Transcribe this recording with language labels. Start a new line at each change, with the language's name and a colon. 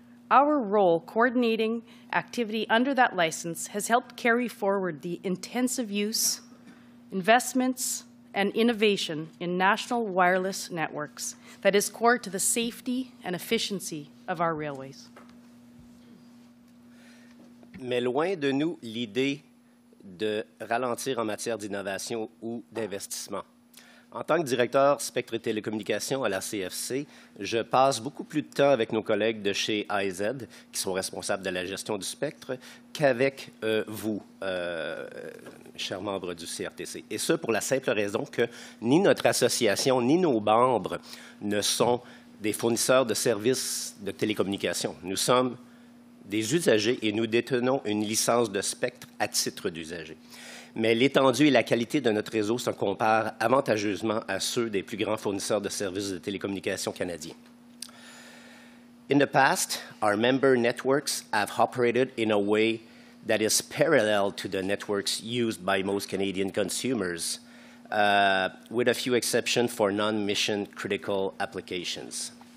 English: Our role coordinating activity under that license has helped carry forward the intensive use, investments, and innovation in national wireless networks that is core to the safety and efficiency of our railways.
French: Mais loin de nous l'idée de ralentir en matière d'innovation ou d'investissement. En tant que directeur spectre et télécommunications à la CFC, je passe beaucoup plus de temps avec nos collègues de chez IZ, qui sont responsables de la gestion du spectre, qu'avec vous, chers membres du CRTC. Et ce, pour la simple raison que ni notre association, ni nos membres ne sont des fournisseurs de services de télécommunications. Nous sommes des usagers et nous détenons une licence de spectre à titre d'usager. Mais l'étendue et la qualité de notre réseau se comparent avantageusement à ceux des plus grands fournisseurs de services de télécommunications canadiens.
English: In the past, our member networks have operated in a way that is parallel to the networks used by most Canadian consumers, with a few exceptions for non-mission critical applications.